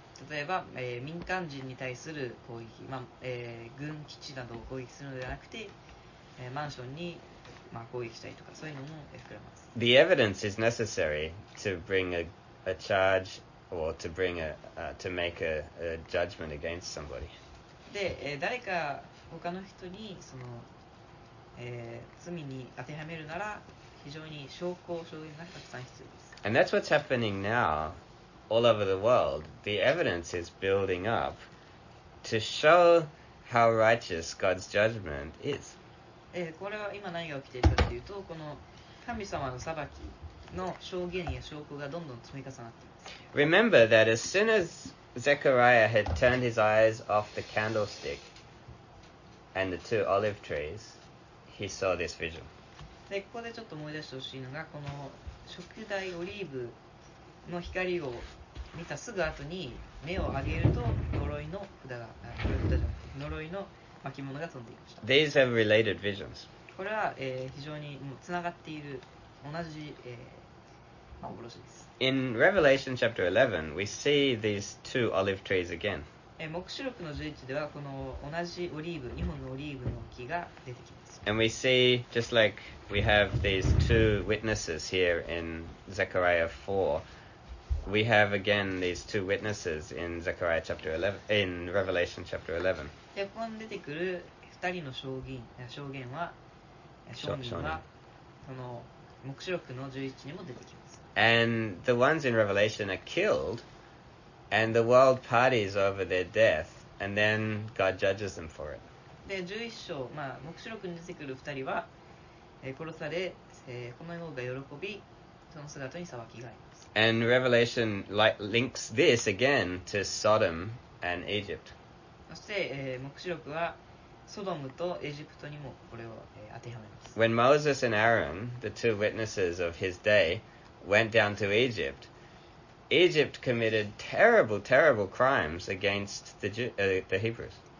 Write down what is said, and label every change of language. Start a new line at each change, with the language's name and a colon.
Japanese: 例えば、民間人に対する攻撃、まあ軍基地などを攻撃するのではなくて、マンションに、まあ、攻撃したりとか、そういうのも含まれます。
English: The evidence is necessary to bring a charge or to bring a, to make a judgment against somebody.
Japanese: で、誰か他の人にその罪に当てはめるなら非常に証拠証言がたくさん必要です。
English: And that's what's happening now all over the world. The evidence is building up to show how righteous God's judgment is.
Japanese: これは今何が起きているかというと、この神様の裁きの証言や証拠がどんどん積み重なっています。
English: Remember that as soon as Zechariah had turned his eyes off the candlestick and the two olive trees,He saw this vision.
Japanese: でここでちょっと思い出してほしいのが、この燭台オリーブの光を見たすぐ後に目を上げると呪いの札が、呪いの巻物が飛んでいました。
English: These have related visions.
Japanese: これは、非常につながっている同じ、幻です。
English: In Revelation chapter 11, we see these two olive trees again.
Japanese: 黙示録の11ではこの同じオリーブ、2本のオリーブの木が出てきます。
English: And we see, just like we have these two witnesses here in Zechariah 4, we have again these two witnesses in Zechariah chapter 11, in Revelation chapter 11.
Japanese: で、ここに出てくる二人の証言、証人は、その黙示録の11にも出てきます。
English: And the ones in Revelation are killed, and the world parties over their death, and then God judges them for it.
Japanese: で11章、まあ、黙示録に出てくる2人は、殺され、この世が喜び、その姿に裁きがあります。
English: And Revelation links this again to Sodom and Egypt.
Japanese: そして、黙示録はソドムとエジプトにもこれを、当てはめます。
English: When Moses and Aaron, the two witnesses of his day, went down to Egypt, Egypt committed terrible, terrible crimes against the Hebrews.